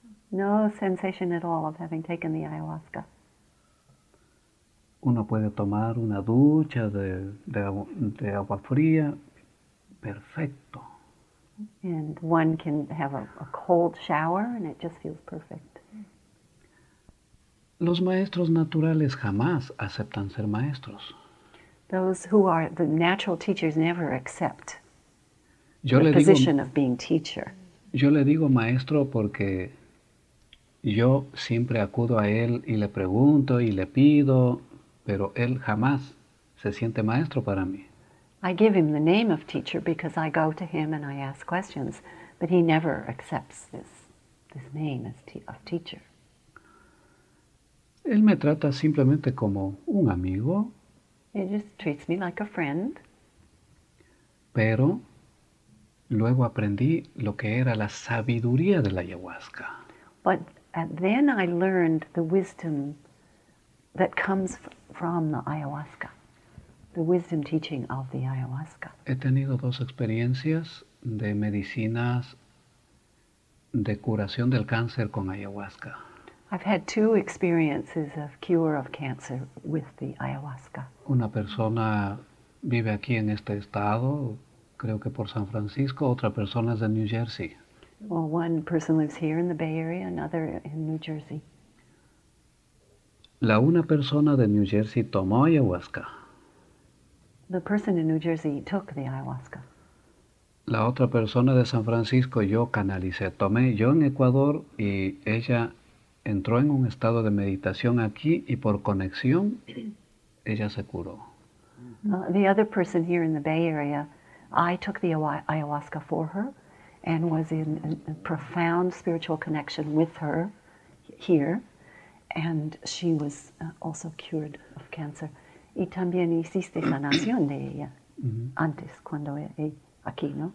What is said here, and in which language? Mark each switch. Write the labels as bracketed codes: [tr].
[en] No sensation at all of having taken the ayahuasca. [es] Uno puede tomar una ducha de agua fría, perfecto. [en] And one can have a cold shower and it just feels perfect. [es] Los maestros naturales jamás aceptan ser maestros. [en] Those who are the natural teachers never accept [es] yo [en] the [es] le [en] position [es] digo, [en] of being teacher. [es] Yo le digo maestro porque yo siempre acudo a él y le pregunto y le pido, pero él jamás se siente maestro para mí. [en] I give him the name of teacher because I go to him and I ask questions, but he never accepts this name as of teacher. [es] Él me trata simplemente como un amigo. [en] He just treats me like a friend. [es] Pero luego aprendí lo que era la sabiduría de la ayahuasca. [en] But then I learned the wisdom that comes from the ayahuasca, the wisdom teaching of the ayahuasca. [es] He tenido 2 experiencias de medicinas de curación del cáncer con ayahuasca. [en] I've had 2 experiences of cure of cancer with the ayahuasca. [es] Una persona vive aquí en este estado, creo que por San Francisco, otra persona es de New Jersey. [en] Well, one person lives here in the Bay Area, another in New Jersey. [es] La una persona de New Jersey tomó ayahuasca. [en] The person in New Jersey took the ayahuasca. [es] La otra persona de San Francisco yo canalicé, tomé yo en Ecuador y ella entró en un estado de meditación aquí y por conexión ella se curó. [en] The other person here in the Bay Area, I took the ayahuasca for her and was in a profound spiritual connection with her here, and she was also cured of cancer. [es] Y también hiciste sanación de ella antes cuando aquí, ¿no?